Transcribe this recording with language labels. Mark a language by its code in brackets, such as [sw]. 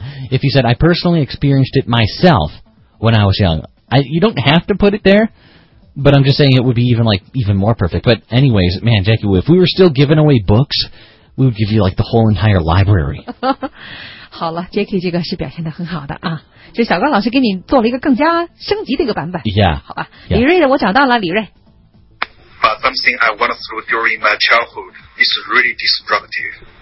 [en] If you said, I personally experienced it myself when I was young. You don't have to put it there, but I'm just saying it would be even more perfect. But anyways, man, Jackie, if we were still giving away books, we would give you like the whole entire library. [zh] 好了 ,Jackie 这个是表现得很好的啊。就小刚老师给你做了一个更加升级的一个版本。 [en] Yeah. [zh] 好吧。李瑞的我找到了，李瑞。 [en] But something I went through during my childhood is really destructive.